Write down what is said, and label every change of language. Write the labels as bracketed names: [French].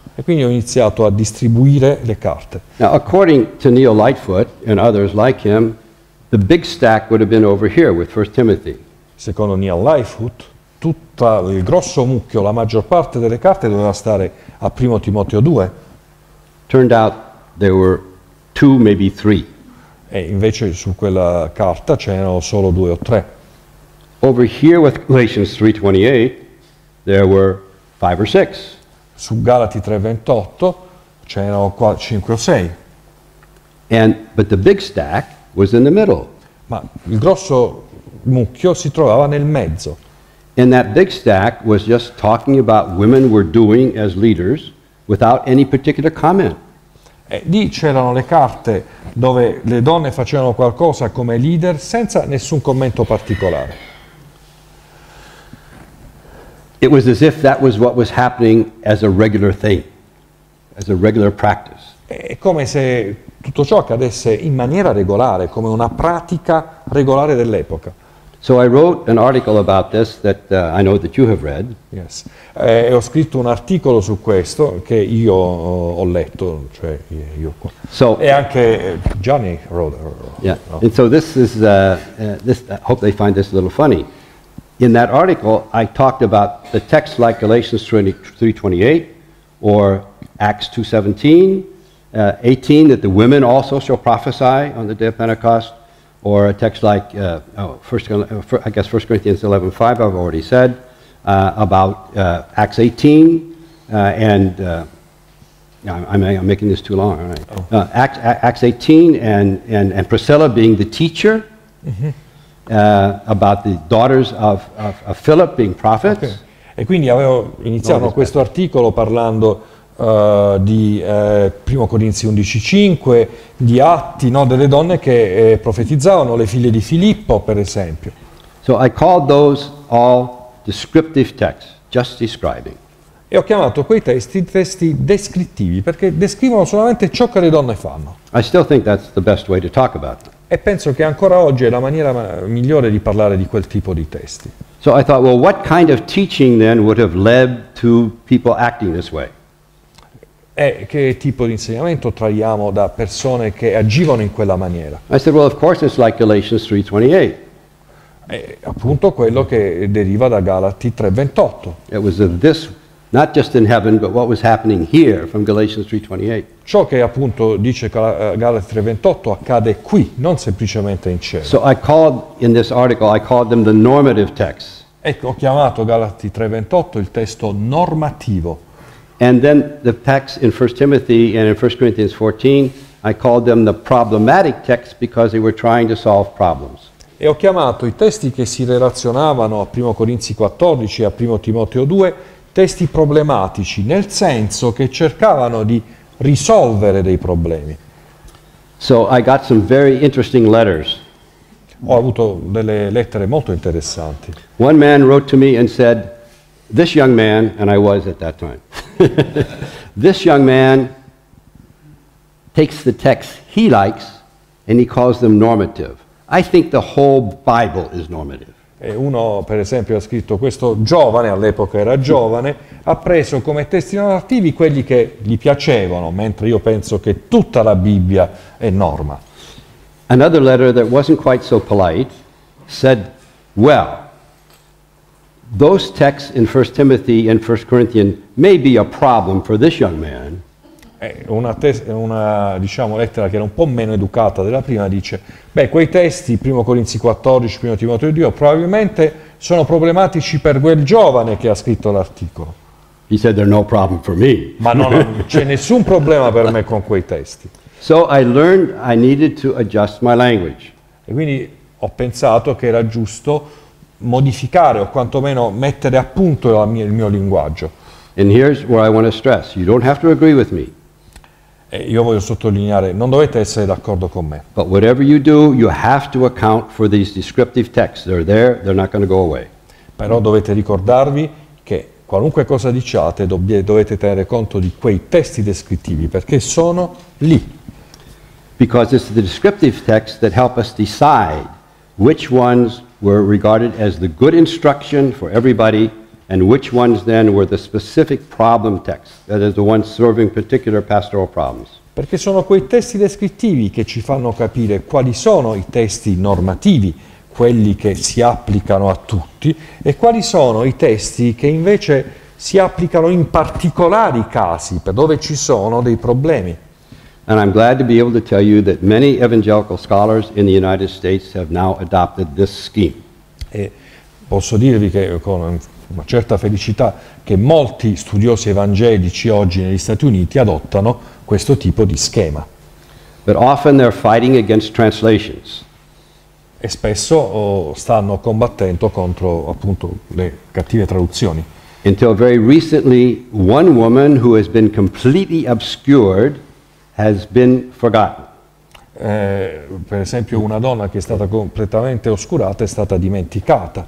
[Italian] E quindi ho iniziato a distribuire le carte. [English] Now, according to Neil Lightfoot and others like him, the big stack would have been over here with 1 Timothy. [Italian] Secondo Neil Lightfoot, tutta il grosso mucchio, la maggior parte delle carte doveva stare a 1 Timoteo 2. [English] Turned out there were two, maybe three. [Italian] E invece su quella carta c'erano solo due o tre. [English] Over here with Galatians 3:28 there were five or six. [Italian] Su Galati 3:28 c'erano qua cinque o sei. [English] And but the big stack was in the middle. [Italian] Ma il grosso mucchio si trovava nel mezzo. [English] And that big stack was just talking about women were doing as leaders without any particular comment. [Italian] E lì c'erano le carte dove le donne facevano qualcosa come leader senza nessun commento particolare. [English] It was as if that was what was happening as a regular thing, as a regular practice. [Italian] È come se tutto ciò accadesse in maniera regolare, come una pratica regolare dell'epoca. [English] So I wrote an article about this that I know that you have read. Yes. [Italian] E ho scritto un articolo su questo che io ho letto, cioè io qua. [English] So, [Italian] e anche Johnny [English] wrote. Yeah. No. And so this is I hope they find this a little funny. In that article I talked about the text like Galatians 3:28 or Acts 2:17, 18 that the women also shall prophesy on the day of Pentecost. Or a text like, First Corinthians 11:5, I've already said, about Acts 18, and I'm making this too long, right? Acts 18 and Priscilla being the teacher, mm-hmm. About the daughters of Philip being prophets. Okay. [Italian] E quindi avevo iniziato questo articolo parlando di 1 Corinzi 11:5, di Atti, no, delle donne che profetizzavano, le figlie di Filippo, per esempio. [English] So I called those all descriptive texts, just describing. [Italian] E ho chiamato quei testi testi descrittivi, perché descrivono solamente ciò che le donne fanno. [English] I still think that's the best way to talk about them. [Italian] E penso che ancora oggi è la maniera migliore di parlare di quel tipo di testi. [English] So I thought, well, what kind of teaching then would have led to people acting this way? [Italian] E che tipo di insegnamento traiamo da persone che agivano in quella maniera? [English] I said, well, of course it's like Galatians 3:28. [Italian] È appunto quello che deriva da Galati 3:28. [English] It was this, not just in heaven, but what was happening here from Galatians 3:28. [Italian] Ciò che appunto dice Galati 3:28 accade qui, non semplicemente in cielo. [English] So I called, in this article, I called them the normative text. [Italian] Ecco, ho chiamato Galati 3:28 il testo normativo. [English] And then the text in 1 Timothy and in 1 Corinthians 14, I called them the problematic text because they were trying to solve problems. [Italian] E ho chiamato i testi che si relazionavano a 1 Corinzi 14 e a 1 Timoteo 2 testi problematici, nel senso che cercavano di risolvere dei problemi. [English] So I got some very interesting letters. [Italian] Ho avuto delle lettere molto interessanti. [English] One man wrote to me and said, this young man, and I was at that time, this young man takes the text he likes and he calls them normative. I think the whole Bible is normative. [Italian] E uno, per esempio, ha scritto, questo giovane, all'epoca era giovane, ha preso come testi normativi quelli che gli piacevano, mentre io penso che tutta la Bibbia è norma. [English] Another letter that wasn't quite so polite said, well, those texts in 1 Timothy and 1 Corinthians may be a problem for this young man. [Italian] Una lettera che era un po' meno educata della prima dice, beh, quei testi, 1 Corinzi 14, 1 Timoteo 2, probabilmente sono problematici per quel giovane che ha scritto l'articolo. [English] He said they're no problem for me. [Italian] Ma no, c'è nessun problema per me con quei testi. [English] So I learned I needed to adjust my language. [Italian] E quindi ho pensato che era giusto modificare o quantomeno mettere a punto il mio linguaggio. [English] And here's where I want to stress. You don't have to agree with me. [Italian] E io voglio sottolineare, non dovete essere d'accordo con me. [English] But whatever you do, you have to account for these descriptive texts. They're there, they're not going to go away. [Italian] Però dovete ricordarvi che qualunque cosa diciate, dovete tenere conto di quei testi descrittivi, perché sono lì. [English] Because it's the descriptive texts that help us decide which ones were regarded as the good instruction for everybody, and which ones then were the specific problem texts, that is the ones serving particular pastoral problems. [Italian] Perché sono quei testi descrittivi che ci fanno capire quali sono i testi normativi, quelli che si applicano a tutti, e quali sono i testi che invece si applicano in particolari casi, per dove ci sono dei problemi. [English] And I'm glad to be able to tell you that many evangelical scholars in the United States have now adopted this scheme. [Italian] E posso dirvi che con una certa felicità che molti studiosi evangelici oggi negli Stati Uniti adottano questo tipo di schema. [English] But often they're fighting against translations. [Italian] E spesso stanno combattendo contro appunto le cattive traduzioni. [English] Until very recently, one woman who has been completely obscured has been forgotten. [Italian] Per esempio, una donna che è stata completamente oscurata è stata dimenticata.